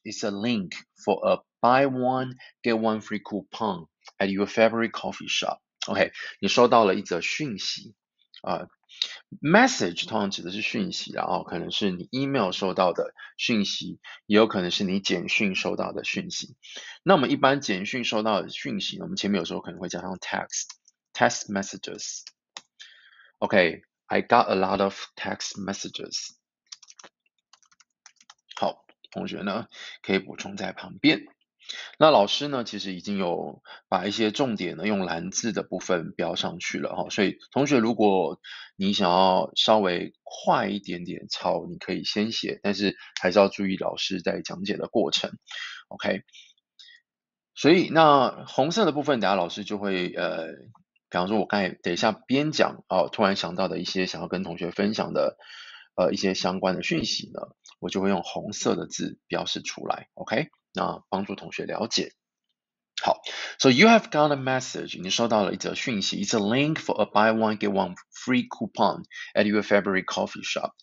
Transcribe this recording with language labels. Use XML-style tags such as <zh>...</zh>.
<en>It's a link for a buy one, get one free coupon at your favorite coffee shop.</en> <zh>OK，你收到了一则讯息。 Message 通常指的是讯息，然后可能是你 email 收到的讯息，也有可能是你简讯收到的讯息。那我们一般简讯收到的讯息，我们前面有时候可能会加上 text messages。OK。</zh> <en>I got a lot of text messages。</en> <zh>好，同学呢可以补充在旁边。那老师呢，其实已经有把一些重点呢用蓝字的部分标上去了哈。所以同学，如果你想要稍微快一点点抄，你可以先写，但是还是要注意老师在讲解的过程。 OK，所以那红色的部分，等下老师就会比方说，我刚才等一下边讲哦，突然想到的一些想要跟同学分享的，一些相关的讯息呢，我就会用红色的字标示出来，OK？那帮助同学了解。</zh> <en>好，So you have got a message，</en> <zh>你收到了一则讯息，</zh> <en>It's a link for a buy one get one free coupon at your favorite coffee shop。</en>